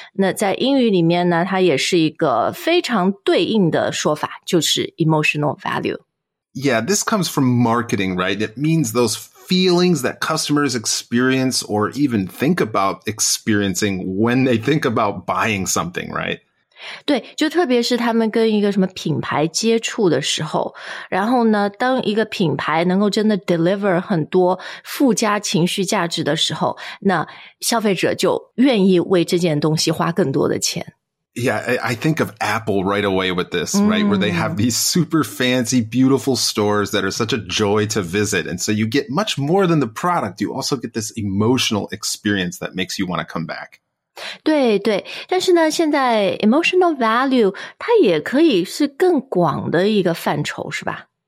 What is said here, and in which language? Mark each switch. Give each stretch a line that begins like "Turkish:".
Chinese: 那在英语里面呢，它也是一个非常对应的说法，就是 emotional value.
English: Yeah, this comes from marketing, right? It means those feelings that customers experience or even think about experiencing when they think about buying something, right?
Chinese: 对，就特别是他们跟一个什么品牌接触的时候，然后呢，当一个品牌能够真的 deliver 很多附加情绪价值的时候，那消费者就愿意为这件东西花更多的钱。
English: Yeah, I think of Apple right away with this, right? Where they have these super fancy, beautiful stores that are such a joy to visit. And so you get much more than the product. You also get this emotional experience that makes you want to come back.
Chinese: 对对，但是呢，现在 emotional value 它也可以是更广的一个范畴，是吧？